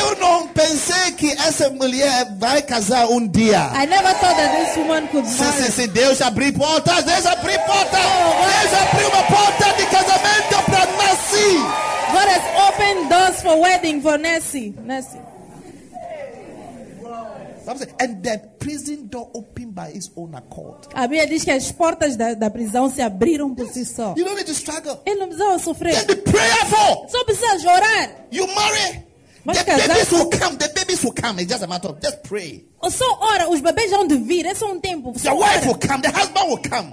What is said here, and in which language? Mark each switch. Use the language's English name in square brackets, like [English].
[Portuguese] Eu não pensei que essa mulher vai casar dia. [English] I never thought that this woman could marry. [Portuguese] Se Deus abrir portas, Deus abrir portas. Oh, Deus abrir uma porta de casamento para Nessie. [English] God has opened doors for wedding for Nessie. And the prison door opened by its own accord. [Portuguese] A Bíblia diz que as portas da prisão se abriram por si só. [English] You don't need to struggle. [Portuguese] Ele não precisa sofrer. [English] Just be prayerful. [Portuguese] Só precisa orar. [English] You marry. [Portuguese] Mas [English] the [Portuguese] casar. [English] Babies will come. The babies will come. It's just a matter of just pray. [Portuguese] Só ora. Os bebês já vão de vir. É só tempo. [English] The wife will come. The husband will come.